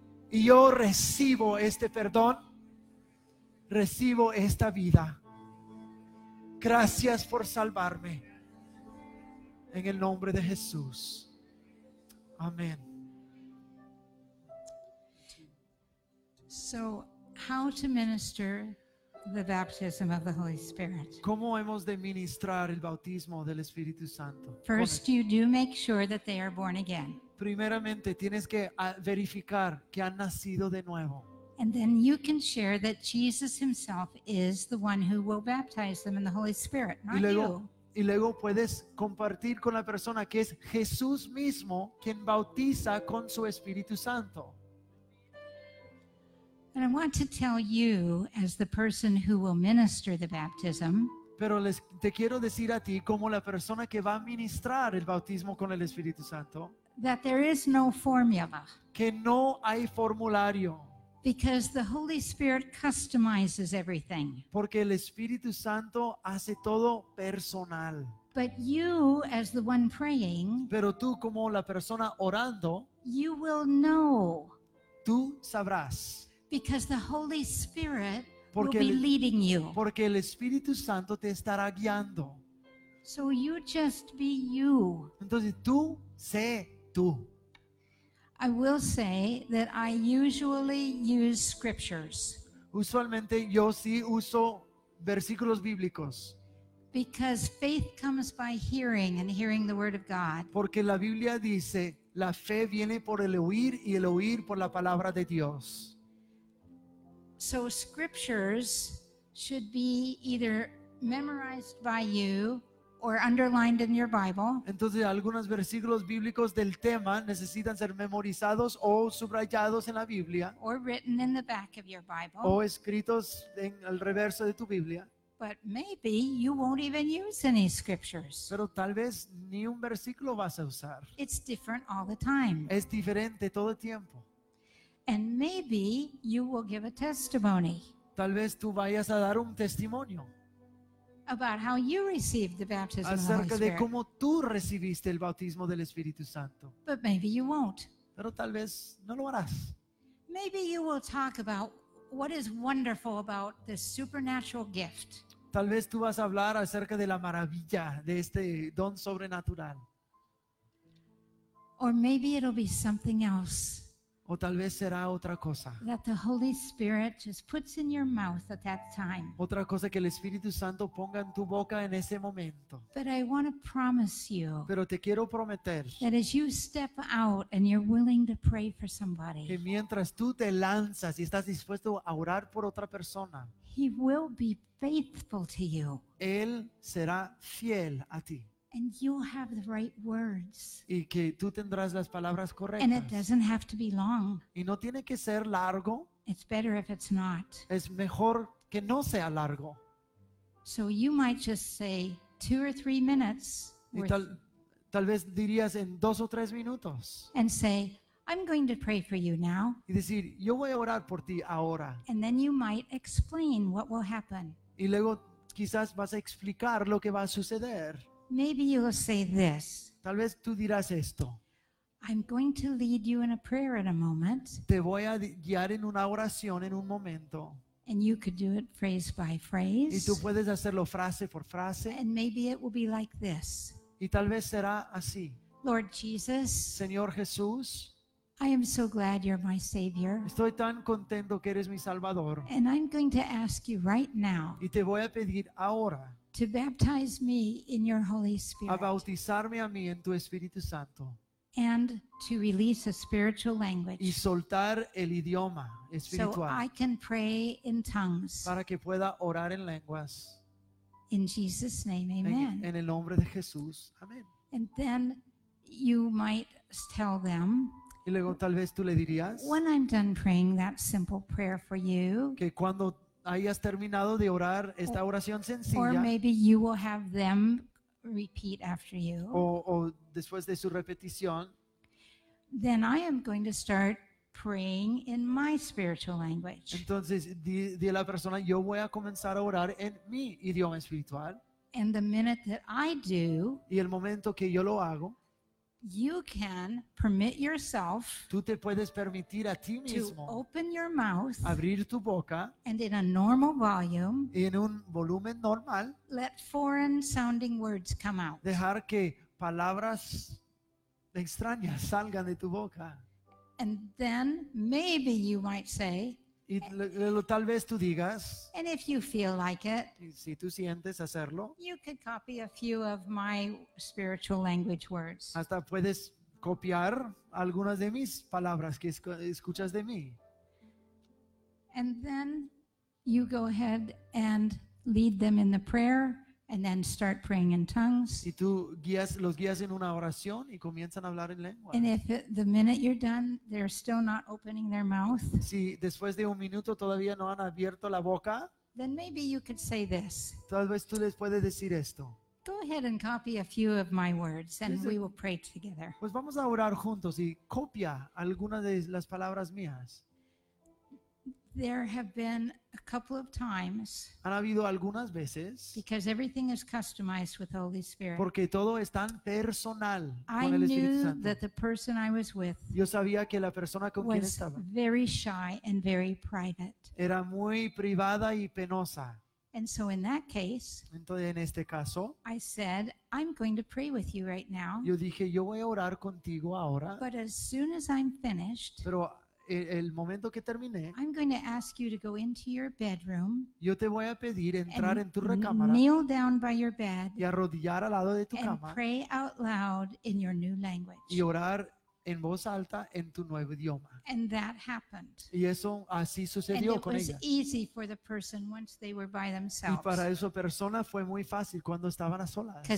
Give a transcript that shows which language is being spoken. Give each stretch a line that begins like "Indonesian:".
Spanish: Y yo recibo este perdón, recibo esta vida. Gracias por salvarme, en el nombre de Jesús. Amén.
English: So, how to minister the baptism of the Holy Spirit?
Spanish: ¿Cómo hemos de ministrar el bautismo del Espíritu Santo?
English: First, you do make sure that they are born again.
Spanish: Primeramente, tienes que verificar que han nacido de nuevo.
English: And then you can share that Jesus himself is the one who will baptize them in the Holy Spirit, not
Spanish: Y luego puedes compartir con la persona que es Jesús mismo quien bautiza con su Espíritu Santo.
English: And I want to tell you, as the person who will minister the baptism,
Spanish: pero les, te quiero decir a ti como la persona que va a ministrar el bautismo con el Espíritu Santo,
English: that there is no formula.
Spanish: Que no hay formulario.
English: Because the Holy Spirit customizes everything.
Spanish: Porque el Espíritu Santo hace todo personal.
English: But you, as the one praying,
Spanish: pero tú como la persona orando,
English: you will know.
Spanish: Tú sabrás.
English: Because the Holy Spirit will be leading you.
Spanish: Porque el Espíritu Santo te estará guiando.
English: So you just be you.
Spanish: Entonces tú sé tú.
English: I will say that I usually use scriptures.
Spanish: Usualmente yo sí uso versículos bíblicos.
English: Because faith comes by hearing, and hearing the word of God.
Spanish: Porque la Biblia dice, la fe viene por el oír y el oír por la palabra de Dios.
English: So scriptures should be either memorized by you or underlined in your Bible.
Spanish: Entonces, algunos versículos bíblicos del tema necesitan ser memorizados o subrayados en la Biblia.
English: Or written in the back of your Bible.
Spanish: O escritos en el reverso de tu Biblia.
English: But maybe you won't even use any scriptures.
Spanish: Pero tal vez ni un versículo vas a usar.
English: It's different all the time.
Spanish: Es diferente todo el tiempo.
English: And maybe you will give a testimony.
Spanish: Tal vez tú vayas a dar un testimonio.
English: About how you received the baptism of the Holy Spirit.
Spanish: Acerca de cómo tú recibiste el bautismo del Espíritu Santo.
English: But maybe you won't.
Spanish: Pero tal vez no lo harás.
English: Maybe you will talk about what is wonderful about this supernatural gift.
Spanish: Tal vez tú vas a hablar acerca de la maravilla de este don sobrenatural.
English: Or maybe it'll be something else.
Spanish: O tal vez será otra cosa.
English: That the Holy Spirit just puts in your mouth at that time.
Spanish: Otra cosa que el Espíritu Santo ponga en tu boca en ese momento.
English: But I want to promise you.
Spanish: Pero te quiero prometer.
English: That as you step out and you're willing to pray for somebody.
Spanish: Que mientras tú te lanzas y estás dispuesto a orar por otra persona.
English: He will be faithful to you.
Spanish: Él será fiel a ti.
English: And you'll have the right words.
Spanish: Y que tú tendrás las palabras correctas.
English: And it doesn't have to be long.
Spanish: Y no tiene que ser largo.
English: It's better if it's not.
Spanish: Es mejor que no sea largo.
English: So you might just say 2 or 3 minutes.
Spanish: Y tal vez dirías en 2 o 3 minutos.
English: And say, I'm going to pray for you now.
Spanish: Y decir, yo voy a orar por ti ahora.
English: And then you might explain what will happen.
Spanish: Y luego quizás vas a explicar lo que va a suceder.
English: Maybe you'll say this.
Spanish: Tal vez tú dirás esto.
English: I'm going to lead you in a prayer in a moment.
Spanish: Te voy a guiar en una oración en un momento.
English: And you could do it phrase by phrase.
Spanish: Y tú puedes hacerlo frase por frase.
English: And maybe it will be like this.
Spanish: Y tal vez será así.
English: Lord Jesus.
Spanish: Señor Jesús.
English: I am so glad you're my Savior.
Spanish: Estoy tan contento que eres mi Salvador.
English: And I'm going to ask you right now.
Spanish: Y te voy a pedir ahora.
English: To baptize me in your Holy Spirit.
Spanish: A bautizarme a mí en tu Espíritu Santo.
English: And to release a spiritual language.
Spanish: Y soltar el idioma espiritual.
English: So I can pray in tongues.
Spanish: Para que pueda orar en lenguas.
English: In Jesus' name, amen.
Spanish: En el nombre de Jesús, amén.
English: And then you might tell them.
Spanish: Y luego tal vez tú le dirías.
English: When I'm done praying that simple prayer for you.
Spanish: Que cuando hayas terminado de orar esta oración sencilla.
English: Or maybe you will have them repeat after you.
Spanish: O después de su repetición.
English: Then I am going to start praying in my spiritual language.
Spanish: Entonces, di a la persona, yo voy a comenzar a orar en mi idioma espiritual.
English: And the minute that I do,
Spanish: y el momento que yo lo hago,
English: you can permit yourself,
Spanish: tú te puedes permitir a ti mismo,
English: to open your mouth,
Spanish: abrir tu boca,
English: and in a normal volume,
Spanish: en un volumen normal,
English: let foreign sounding words come out.
Spanish: Dejar que palabras extrañas salgan de tu boca.
English: And then maybe you might say,
Spanish: y tal vez tú digas,
English: and if you feel like it,
Spanish: si tú sientes hacerlo,
English: you could copy a few of my spiritual language words.
Spanish: Hasta puedes copiar algunas de mis palabras que escuchas de mí.
English: And then you go ahead and lead them in the prayer. And then start praying in tongues.
Spanish: Y tú guías, los guías en una oración y comienzan a hablar en lengua.
English: And if the minute you're done, they're still not opening their mouth.
Spanish: Si después de un minuto todavía no han abierto la boca.
English: Then maybe you could say this.
Spanish: Tal vez tú les puedes decir esto.
English: Go ahead and copy a few of my words and we will pray together.
Spanish: Pues vamos a orar juntos y copia algunas de las palabras mías.
English: There have been a couple of times.
Spanish: Han habido algunas veces.
English: Because everything is customized with Holy Spirit.
Spanish: Porque todo es tan personal con el Espíritu
English: Santo. I knew that the person I was with.
Spanish: Yo sabía que la persona con quien estaba.
English: Was very shy and very private.
Spanish: Era muy privada y penosa.
English: And so in that case.
Spanish: Entonces en este caso.
English: I said, I'm going to pray with you right now.
Spanish: Yo dije, yo voy a orar contigo ahora.
English: But as soon as I'm finished.
Spanish: Pero el momento que terminé,
English: I'm going to ask you to go into your bedroom.
Spanish: Yo te voy a pedir entrar en tu recámara.
English: Kneel down by your bed.
Spanish: Y arrodillar al lado de tu cama.
English: And pray out loud in your new language.
Spanish: Y orar en voz alta en tu nuevo idioma.
English: And that happened.
Spanish: Y eso así sucedió con ella.
English: And it was easy for the person once they were by themselves.
Spanish: Y para esa persona fue muy fácil cuando estaban a solas.